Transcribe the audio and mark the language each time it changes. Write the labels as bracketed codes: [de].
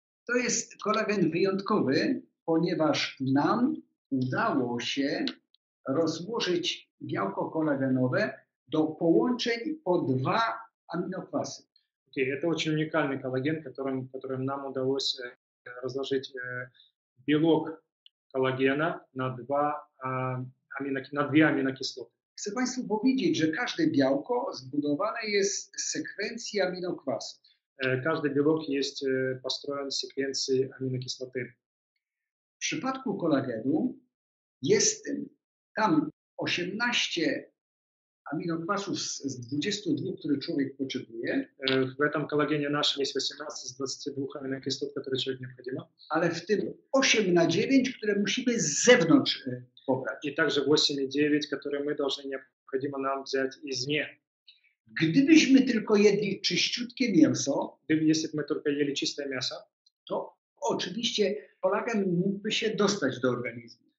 [pl] To jest kolagen wyjątkowy, ponieważ nam udało się rozłożyć białko kolagenowe do połączeń po dwa aminokwasy. [ru] Okej, okay, to очень уникальный коллаген, которым, которым нам удалось разложить белок коллагена на два на две аминокислоты. [pl] Chcę Państwu powiedzieć, że każde białko zbudowane jest z sekwencji aminokwasów. Każdy białek jest postrojony z sekwencji aminokislotyn. W przypadku kolagenu jest tam 18 aminokwasów z 22, które człowiek potrzebuje. W tym kolagenie naszym jest 18 z 22 aminokislot, które człowiek potrzebuje. Ale w tym 8 na 9, które musimy z zewnątrz. [ru] И также 8 и 9, которые мы должны необходимо нам взять извне. [pl] Gdybyśmy tylko jedli czyściutkie mięso, [ru] если бы мы только ели чистое мясо, [pl] то, oczywiście, kolagen mógłby się dostać do organizmu.